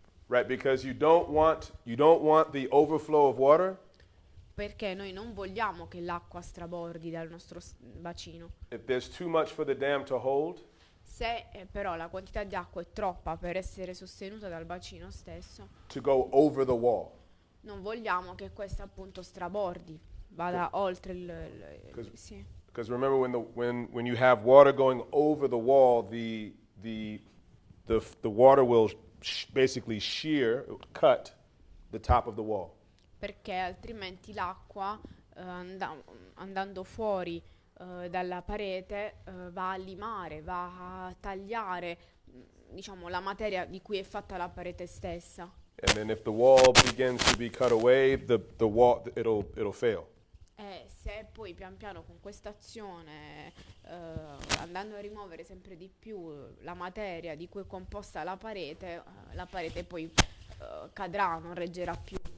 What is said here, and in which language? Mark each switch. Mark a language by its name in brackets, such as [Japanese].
[English] Right, because you don't want the overflow of water. [Italian] Perché noi non vogliamo che l'acqua strabordi dal nostro bacino. [English] If there's too much for the dam to hold. [Italian] Se però la quantità di acqua è troppa per essere sostenuta dal bacino stesso. [English] To go over the wall. [Italian] Non vogliamo che questa appunto strabordi, vada oltre il. [English] Because remember when you have water going over the wall, the water will basically shear, cut the top of the wall. [Italian] Perché altrimenti l'acqua andando fuori dalla parete va a limare, va a tagliare diciamo la materia di cui è fatta la parete stessa. [English] And then if the wall begins to be cut away, the wall it'll fail. [Italian] E se poi pian piano con questa azione andando a rimuovere sempre di più la materia di cui è composta la parete poi cadrà, non reggerà più.